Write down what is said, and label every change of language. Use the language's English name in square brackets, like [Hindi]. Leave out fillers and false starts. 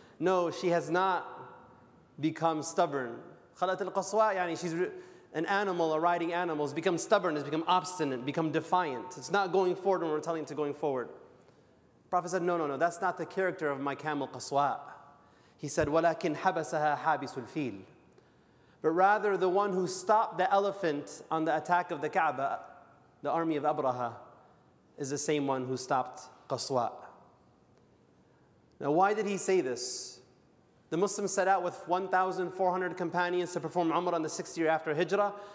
[English] No, she has not become stubborn. [Arabic] خَلَأَتِ الْقَصْوَاءِ, يعني [English] she's an animal, a riding animal, has become stubborn, has become obstinate, become defiant. It's not going forward when we're telling it to going forward. The Prophet said, no, that's not the character of my camel, قَصْوَاء. He said, [Arabic] وَلَكِنْ حَبَسَهَا حَابِسُ الْفِيلِ. [English] But rather, the one who stopped the elephant on the attack of the Kaaba, the army of Abraha, is the same one who stopped Qaswa. Now, why did he say this? The Muslims set out with 1,400 companions to perform Umrah in the 6th year after Hijrah.